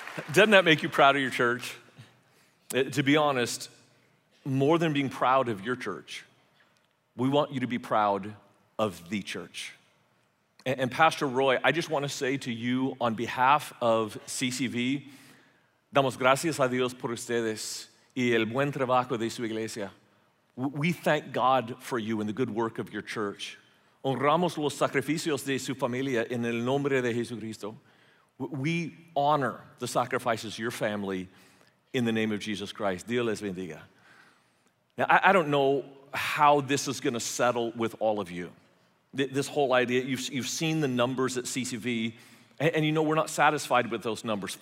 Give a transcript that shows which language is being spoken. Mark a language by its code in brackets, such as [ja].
[en] Doesn't that make you proud of your church? To be honest, more than being proud of your church, we want you to be proud of the church. And Pastor Roy, I just want to say to you on behalf of CCV, damos gracias a Dios por ustedes y el buen trabajo de su iglesia. We thank God for you and the good work of your church. [es] Honramos los sacrificios de su familia en el nombre de Jesucristo. [en] We honor the sacrifices of your family in the name of Jesus Christ. Dios les bendiga. Now, I don't know how this is going to settle with all of you. This whole idea, you've seen the numbers at CCV, and you know we're not satisfied with those numbers.